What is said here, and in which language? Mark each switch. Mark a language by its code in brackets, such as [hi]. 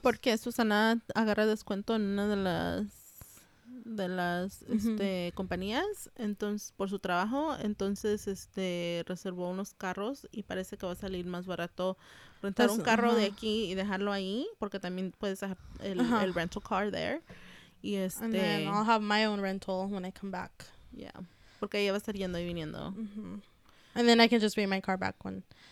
[es] Porque Susana agarra descuento en una de las uh-huh. este, compañías, entonces por su trabajo, entonces este reservó unos carros y parece que va a salir más barato rentar un carro uh-huh. de aquí y dejarlo ahí, porque también puedes dejar el, uh-huh. el [en] rental car there. [es] Y este, [en] and then I'll have my own rental when I come back. [es] Yeah, porque ella va a estar yendo y viniendo. Uh-huh. [en] And then I can just bring my car back when...